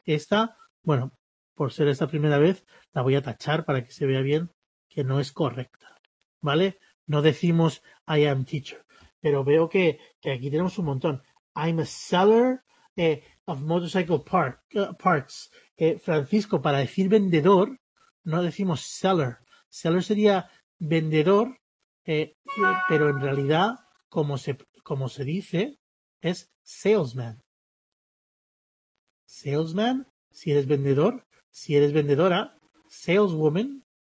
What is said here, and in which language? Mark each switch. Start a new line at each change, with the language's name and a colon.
Spanish: Esta, bueno, por ser esta primera vez, la voy a tachar para que se vea bien que no es correcta, ¿vale? No decimos
English: I am teacher,
Spanish: pero veo que aquí tenemos un montón.
English: I'm a seller of motorcycle parts.
Spanish: Francisco, para decir vendedor, no decimos seller. Seller sería vendedor, pero en realidad, como se dice, es salesman. Salesman, si eres vendedor, si eres vendedora, saleswoman.